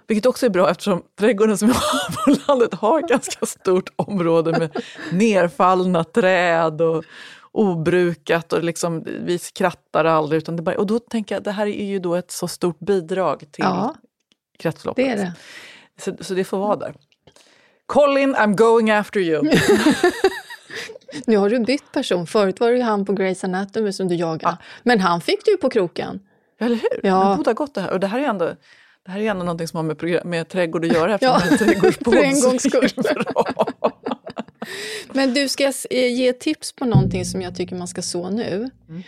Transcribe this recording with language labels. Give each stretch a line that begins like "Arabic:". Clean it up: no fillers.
Swedish: Vilket också är bra eftersom trädgården som vi har på landet har ganska stort område med nerfallna träd och obrukat och liksom vi skrattar aldrig utan det bara, och då tänker jag, det här är ju då ett så stort bidrag till kretsloppet. Det är det. Så det får vara där.
English: Colin, I'm going after you.
Swedish: Nu har du bytt person. Förut var det ju han på Grey's Anatomy som du jagade. Men han fick du ju på kroken. Eller hur? Ja. Men båda gott det här. Och det här är ändå... Det här är ändå någonting som har med trädgård att göra eftersom för en gångs skull. Men du ska ge tips på någonting som jag tycker man ska så nu. Mm.